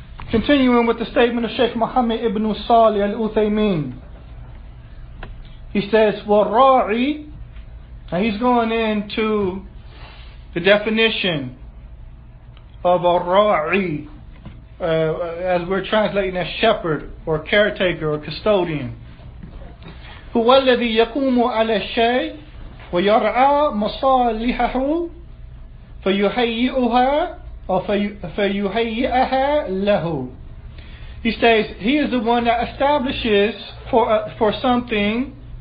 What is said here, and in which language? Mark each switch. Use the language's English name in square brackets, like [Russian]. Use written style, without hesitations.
[English] Continuing with the statement of Sheikh Muhammad ibn Salih al-Uthaymeen, he says, وَالْرَاعِي, and he's going into the definition of a ra'i, as we're translating as shepherd or caretaker or custodian. [Arabic] هو الذي يقوم على الشيء ويرعى مصالحه فيهيئها أو فيهيئها له. [English] He says he is the one that establishes for something.